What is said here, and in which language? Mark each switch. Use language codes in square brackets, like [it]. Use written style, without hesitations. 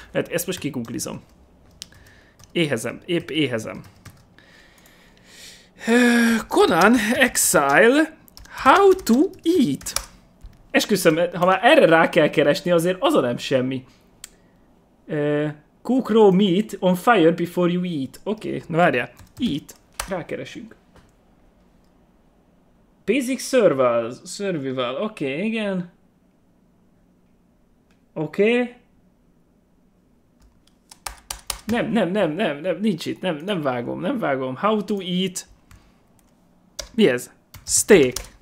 [hu] Hát ezt most kiguglizom. Éhezem, épp éhezem. [en] Conan Exile, how to eat? [hu] Esküszöm, ha már erre rá kell keresni, azért az a nem semmi. [en] Cook raw meat on fire before you eat. [hu] Oké, na várjál, eat, rákeresünk. Basic survival, oké, okay, igen. Oké. Okay. Nem, nincs itt, nem vágom. [en] How to eat. [hu] Mi ez? Steak.